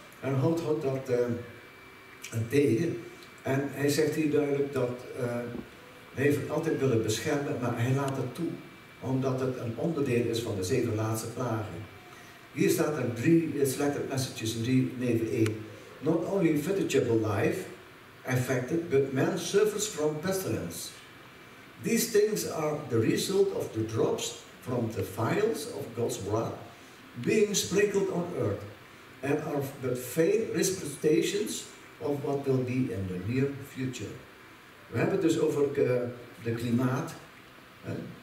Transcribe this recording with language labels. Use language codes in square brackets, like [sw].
[nl] En God houdt dat tegen. En hij zegt hier duidelijk dat hij heeft het altijd willen beschermen, maar hij laat het toe. Omdat het een onderdeel is van de zeven laatste plagen. Hier staat er drie selected messages in 3, neven 1. [en] Not only vegetable life affected, but man suffers from pestilence. These things are the result of the drops from the vials of God's wrath being sprinkled on earth and are but faint representations of what will be in the near future. [nl] We hebben het dus over de klimaat, hè?